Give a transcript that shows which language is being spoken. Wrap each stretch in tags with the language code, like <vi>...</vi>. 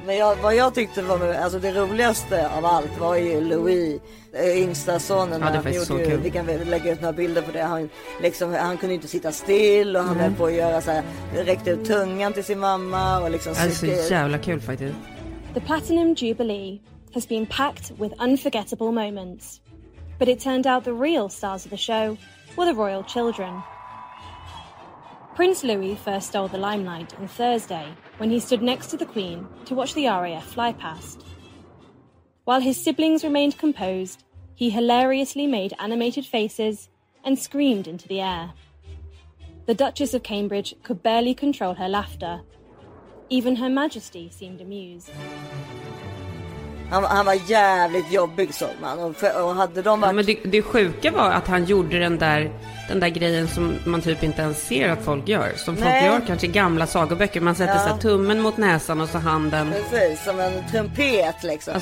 <sv>men vad jag tyckte var, alltså det roligaste av allt var ju Louis, yngsta sonen. Ja, det var så kul. Vi kan lägga ut några bilder på det. Han, liksom, han kunde inte sitta still och han höll på att göra så här, räckte ut tungan till sin mamma. Och liksom, det är så jävla kul faktiskt.</sv> <en>The Platinum Jubilee has been packed with unforgettable moments. But it turned out the real stars of the show were the royal children. Prince Louis first stole the limelight on Thursday when he stood next to the Queen to watch the RAF fly past. While his siblings remained composed, he hilariously made animated faces and screamed into the air. The Duchess of Cambridge could barely control her laughter. Even Her Majesty seemed amused.</en> <sv>Han var jävligt jobbig som man. Och hade de varit... Ja, men det sjuka var att han gjorde den där grejen som man typ inte ens ser att folk gör. Som Nej. Folk gör kanske i gamla sagoböcker. Man sätter så tummen mot näsan och så handen. Precis, som en trumpet liksom.</sv>